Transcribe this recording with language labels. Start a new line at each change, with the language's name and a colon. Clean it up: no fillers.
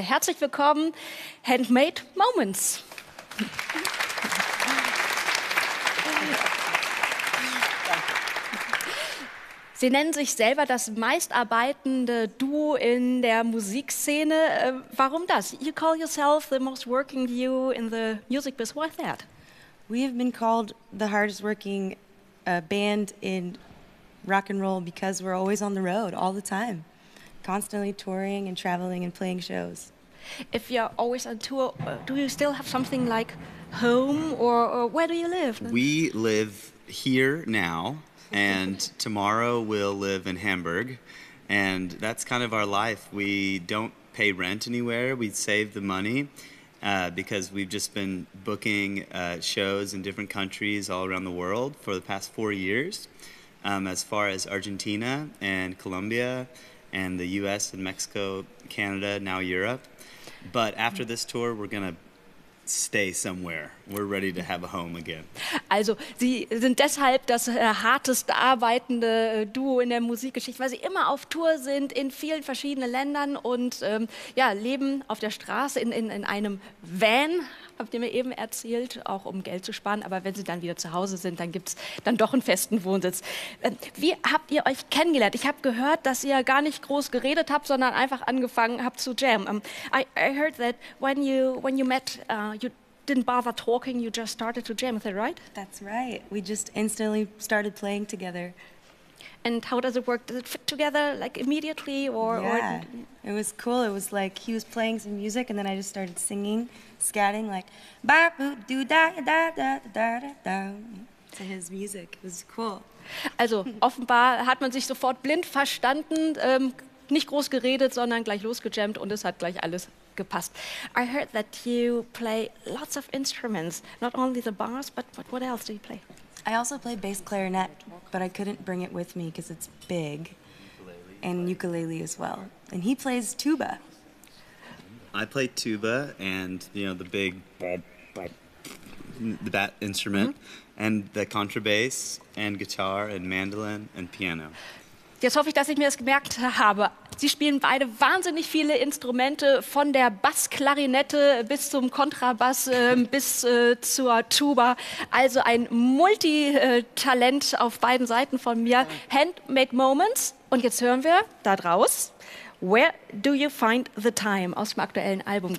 German: Herzlich willkommen, Handmade Moments. Sie nennen sich selber das meistarbeitende Duo in der Musikszene. Warum das?
English: You call yourself the most working duo in the music business. Why that? We have been called the hardest working band in rock and roll because we're always on the road all the time, constantly touring and traveling and playing shows. If you're always on tour, do you still have something like home or where do you live? We live here now, and tomorrow we'll live in Hamburg, and that's kind of our life. We don't pay rent anywhere. We save the money because we've just been booking shows in different countries all around the world for the past 4 years, as far as Argentina and Colombia and the US and Mexico, Canada, now Europe. But after this tour, we're going to stay somewhere. We're ready to have a home again.
German: Also, Sie sind deshalb das hartest arbeitende Duo in der Musikgeschichte, weil Sie immer auf Tour sind in vielen verschiedenen Ländern und ja, leben auf der Straße in einem Van, habt ihr mir eben erzählt, auch um Geld zu sparen. Aber wenn Sie dann wieder zu Hause sind, dann gibt es dann doch einen festen Wohnsitz. Wie habt ihr euch kennengelernt? Ich habe gehört, dass ihr gar nicht groß geredet habt, sondern einfach angefangen habt zu jam.
English: I heard that when you met, you didn't bother talking, you just started to jam, is that right? That's right. We just instantly started playing together. And how does it work? Does it fit together, like, immediately? It was cool. It was like he was playing some music, and then I just started singing, scatting, like, ba-boo-doo-da-da-da-da-da-da-da, to his music. It was cool.
German: Also, offenbar hat man sich sofort blind verstanden, nicht groß geredet, sondern gleich losgejammt, und es hat gleich alles gepasst.
English: I heard that you play lots of instruments, not only the bars, but what else do you play? I also play bass clarinet, but I couldn't bring it with me because it's big, and ukulele as well. And he plays tuba. I play tuba and, you know, the big, the bat instrument, and the contrabass, and guitar, and mandolin, and piano.
German: Jetzt hoffe ich, dass ich mir das gemerkt habe. Sie spielen beide wahnsinnig viele Instrumente, von der Bassklarinette bis zum Kontrabass bis zur Tuba. Also ein Multitalent auf beiden Seiten von mir. Handmade Moments. Und jetzt hören wir da draus, Where Do You Find The Time, aus dem aktuellen Album.